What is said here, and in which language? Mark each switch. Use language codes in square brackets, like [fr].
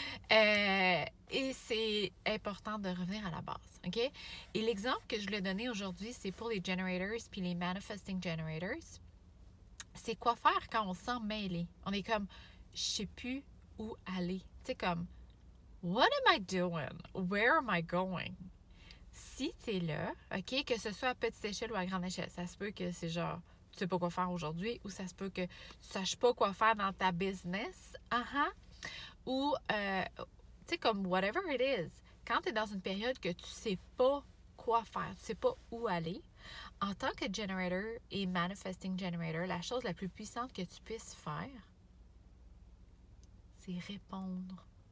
[fr] Et c'est important de revenir à la base, OK? Et l'exemple que je voulais donner aujourd'hui, c'est pour les generators, puis les manifesting generators. C'est quoi faire quand on s'en mêle? On est comme, je sais plus où aller. Tu sais, comme, [en] what am I doing? Where am I going? [fr] Si tu es là, OK, que ce soit à petite échelle ou à grande échelle, ça se peut que c'est genre, tu sais pas quoi faire aujourd'hui, ou ça se peut que tu saches pas quoi faire dans ta business, ou, tu sais, comme, [en] whatever it is, [fr] quand tu es dans une période que tu sais pas quoi faire, tu sais pas où aller, en tant que generator et manifesting generator, la chose la plus puissante que tu puisses faire, c'est répondre.